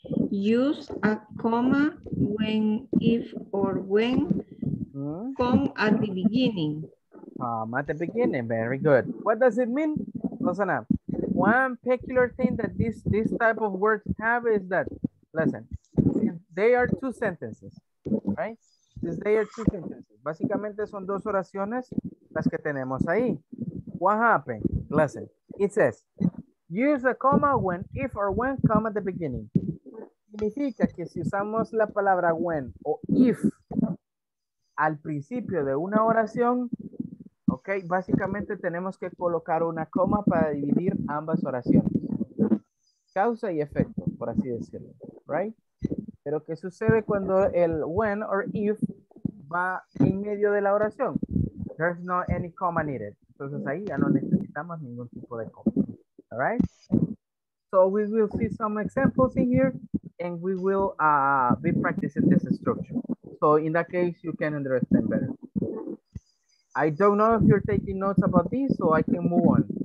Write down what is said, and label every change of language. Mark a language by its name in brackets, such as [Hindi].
[English] Use a comma when, if, or when. Come at the beginning. At the beginning, very good. What does it mean, Rosana? One peculiar thing that this type of words have is that, listen, they are two sentences, right? Since they are two sentences. [Spanish] Básicamente son dos oraciones las que tenemos ahí. [English] What happened? Listen, it says, use a comma when, if, or when come at the beginning. [Spanish] Significa que si usamos la palabra when o if al principio de una oración, ok, básicamente tenemos que colocar una coma para dividir ambas oraciones. Causa y efecto, por así decirlo, right? Pero ¿qué sucede cuando el when or if va en medio de la oración? [English] There's not any comma needed. [Spanish] Entonces ahí ya no necesitamos ningún tipo de comma. [English] All right? So we will see some examples in here and we will be practicing this structure. So in that case, you can understand better. I don't know if you're taking notes about this, so I can move on.